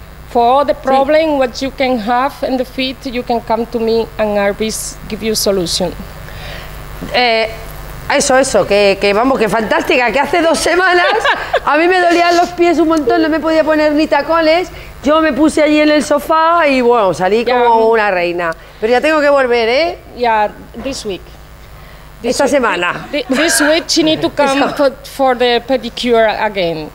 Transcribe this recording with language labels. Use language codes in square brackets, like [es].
[en] For all the problem, sí, what you can have in the feet, you can come to me and Arbis give you solution. [es] Eso, que vamos, que fantástica, que hace 2 semanas a mí me dolían los pies un montón, no me podía poner ni tacones, yo me puse allí en el sofá y bueno, salí como una reina. Pero ya tengo que volver, ¿eh? [en] Ya, yeah, this week. [es] Esta semana. [en] This week she need to come for the pedicure again.